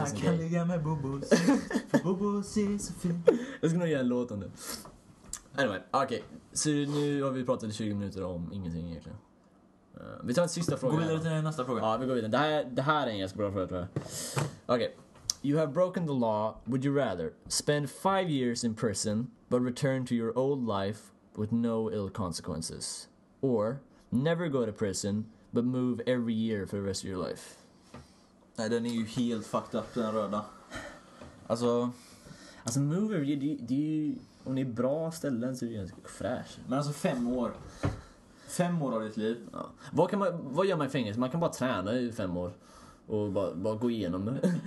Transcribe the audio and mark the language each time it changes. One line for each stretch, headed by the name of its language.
Swedish: alla kan ligga med bobos, för bobos är så fin. Jag skulle nog göra en låt om det. Anyway, okej. Okay. Så nu har vi pratat i 20 minuter om ingenting egentligen. Vi tar en sista fråga. Gå vidare till nästa fråga. Ja, vi går vidare. Det här är en ganska bra fråga, tror jag.
English: Okej. You have broken the law. Would you rather spend 5 years in prison but return to your old life with no ill consequences? Or never go to prison but move every year for the rest of your life?
Swedish: Nej, den är ju helt fucked up, den röda. Alltså... alltså,
English: move every year,
Swedish: det är ju... om det är bra ställen så är det ganska fräsch. Men alltså, 5 år... 5 år av ditt liv. Ja. Vad gör man i fängelse? Man kan bara träna i 5 år. Och bara gå igenom det.